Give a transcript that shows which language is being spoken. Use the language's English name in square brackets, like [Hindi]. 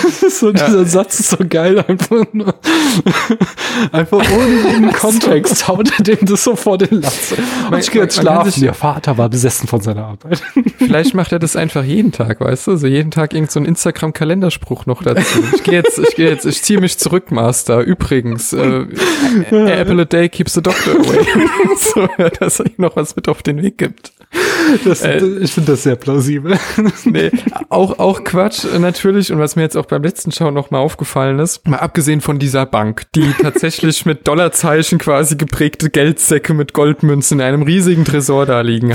[German] So, dieser Satz ist so geil, einfach ohne jeden Kontext haut er dem das so vor den Latz. Und ich gehe jetzt schlafen. Ihr Vater war besessen von seiner Arbeit. Vielleicht macht er das einfach jeden Tag, weißt du? So jeden Tag irgend so ein Instagram-Kalenderspruch noch dazu. Ich gehe jetzt, ich ziehe mich zurück, Master. Übrigens, [English] Apple a day keeps the doctor away. [German] So, dass er noch was mit auf den Weg gibt. Ich finde das sehr plausibel. Nee, auch Quatsch natürlich, und was mir jetzt auch beim letzten Schauen nochmal aufgefallen ist, mal abgesehen von dieser Bank, die tatsächlich mit Dollarzeichen quasi geprägte Geldsäcke mit Goldmünzen in einem riesigen Tresor da liegen hat.